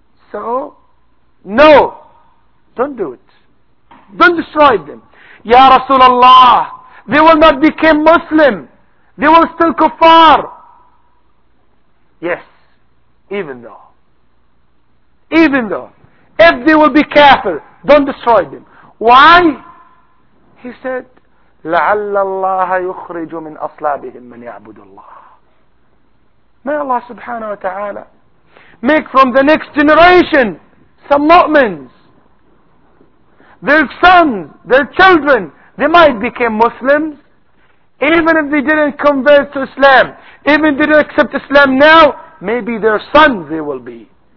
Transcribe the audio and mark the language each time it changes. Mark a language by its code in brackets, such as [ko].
[en] So, no, don't do it. Don't destroy them. Ya Rasulallah, they will not become Muslim. They will still kuffar. Yes, even though, if they will be kafir, don't destroy them. Why? He said, [ar] لَعَلَّ اللَّهَ يُخْرِجُ مِنْ أَصْلَابِهِمْ مَنْ يَعْبُدُ اللَّهِ. [en] May Allah subhanahu wa ta'ala make from the next generation some mu'mins, their sons, their children, they might become Muslims, even if they didn't convert to Islam, even if they didn't accept Islam now, maybe their sons they will be.